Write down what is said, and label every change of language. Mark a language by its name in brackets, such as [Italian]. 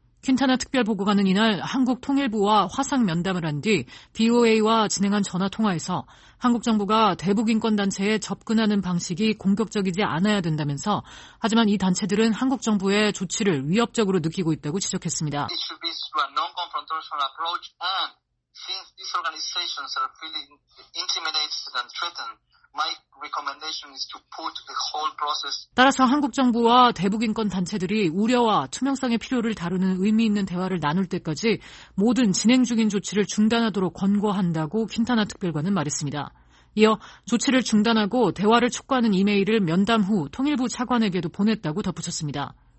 [Korean] 킨타나 특별보고관은 이날 한국 통일부와 화상 면담을 한 뒤 BOA와 진행한 전화통화에서 한국 정부가 대북인권단체에 접근하는 방식이 공격적이지 않아야 된다면서 하지만 이 단체들은 한국 정부의 조치를 위협적으로 느끼고 있다고 지적했습니다. [English] It should be through a non-confrontational approach and since these organizations are feeling intimidated and threatened, my recommendation is to put the whole process. [Korean] 따라서 한국 정부와 대북인권단체들이 우려와 투명성의 필요를 다루는 의미 있는 대화를 나눌 때까지 모든 진행 중인 조치를 중단하도록 권고한다고 킨타나 특별관은 말했습니다. 이어 조치를 중단하고 대화를 촉구하는 이메일을 면담 후 통일부 차관에게도 보냈다고 덧붙였습니다.